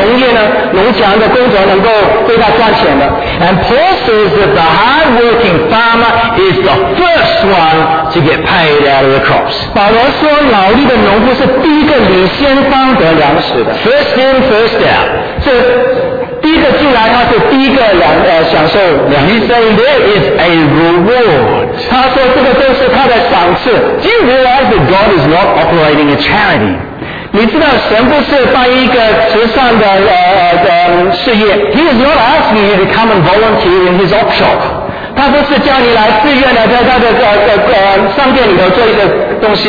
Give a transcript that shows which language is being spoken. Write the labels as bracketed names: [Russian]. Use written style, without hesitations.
[Chinese] 但是他有同进的目标，说有一天这个农业呢，农场的工作能够为他赚钱的。 [English] And Paul says that the hard-working farmer is the first one to get paid out of the crops. [Chinese] 保罗说，劳力的农夫是第一个领先方得粮食的。 [English] First in, first out. [Chinese] 第一个进来，他是第一个享受粮。 [English] He's saying there is a reward. [Chinese] 他说这个都是他的赏赐。 [English] Do you realize that God is not operating a charity? [Chinese] 你知道神不是办一个慈善的事业。 [English] He is not asking you to come and volunteer in his op shop. [Chinese] 他不是叫你来自愿的在他的商店里头做一个东西。